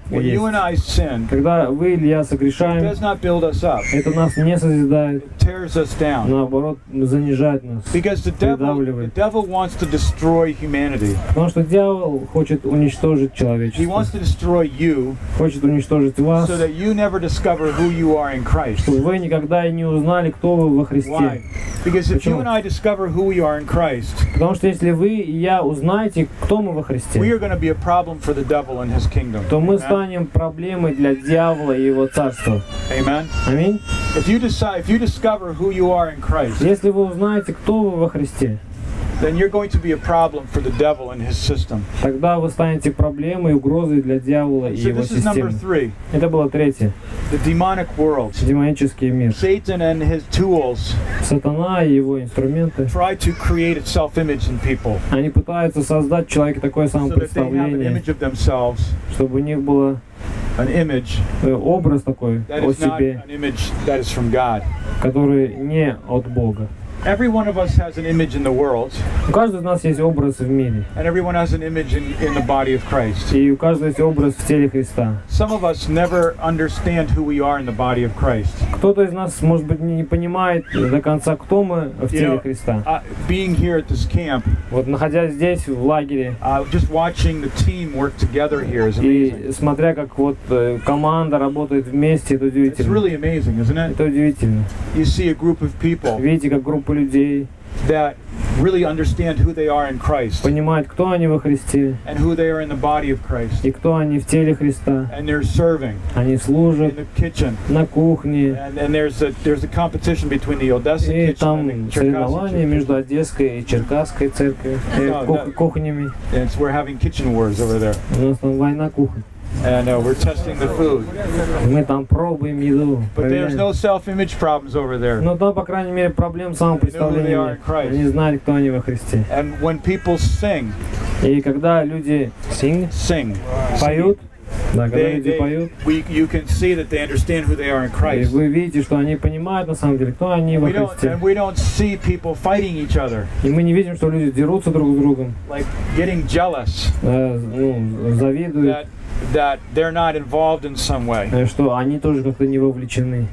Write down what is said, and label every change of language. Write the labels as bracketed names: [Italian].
[English] when [Russian] есть. [English] You and I sin, [Russian] когда вы или я согрешаем, [English] it does not build us up. [Russian] Это нас не созидает. [English] It tears us down. [Russian] Наоборот, занижает нас. [English] Because the devil, wants to destroy humanity. [Russian] Потому что дьявол хочет уничтожить человечество. [English] He wants to destroy you, [Russian] хочет уничтожить вас, [English] so that you never discover who you are in Christ. [Russian] Чтобы вы никогда и не узнали, кто вы во Христе. [English] Why? Because if you and I discover who we are in Christ, [Russian] потому что если вы и я узнаете, кто мы во Христе, [English] we are going to be a problem for the devil and his kingdom. [Russian] То мы станем проблемой для дьявола и его царства. [English] Amen. [Russian] Аминь. [English] If you decide, if you discover who you are in Christ, [Russian] если вы узнаете, кто вы во Христе, [English] then you're going to be a problem for the devil and his system. [Russian] Тогда вы станете проблемой и угрозой для дьявола и его системы. [English] This is number three. [Russian] Это было третье. [English] The demonic world. [Russian] Демонический мир. [English] Satan and his tools. [Russian] Сатана и его инструменты. [English] Try to create a self-image in people. [Russian] Они пытаются создать в человеке такое самопредставление. [English] So that they have an image of themselves. [Russian] Чтобы у них было [English] an image. [Russian] Образ такой о себе. [English] That is not an image that is from God. [Russian] Который не от Бога. [English] Every one of us has an image in the world. [Russian] У каждого из нас есть образ в мире. [English] And everyone has an image in the body of Christ. [Russian] И у каждого есть образ в теле Христа. [English] Some of us never understand who we are in the body of Christ. [Russian] Кто-то из нас, может быть, не понимает до конца, кто мы в теле Христа. [English] Being here at this camp. [Russian] Вот находясь здесь в лагере. [English] Just watching the team work together here is amazing. [Russian] И смотря как вот команда работает вместе, это удивительно. [English] It's really amazing, isn't it? [Russian] Это удивительно. [English] You see a group of people. [Russian] Видите, как группа людей, [English] that really understand who they are in Christ, [Russian] понимают, кто они во Христе, [English] and who they are in the body of Christ, [Russian] и кто они в теле Христа, [English] and they're serving, [Russian] они служат [English] in the kitchen, [Russian] на кухне, [English] and there's a competition between the Odessa kitchen and the Черкасская [Russian] церковь. И там соревнования между Одесской и Черкасской церковью, кухнями. [English] And so we're having kitchen wars over there. [Russian] У нас там война кухонь. [English] And we're testing the food. [Russian] Мы там пробуем еду. [English] But there's no self-image problems over there. [Russian] Но там, по крайней мере, проблем самопредставления нет. Они знали, кто они во Христе. [English] And when people sing, [Russian] и когда люди [English] sing, [Russian] поют, да, когда люди поют, [English] you can see that they understand who they are in Christ. [Russian] И вы видите, что они понимают на самом деле, кто они во Христе. [English] And we don't see people fighting each other. [Russian] И мы не видим, что люди дерутся друг с другом. [English] Like getting jealous. [Russian] Завидуют. [English] That they're not involved in some way. [Russian] Что они тоже как-то не вовлечены.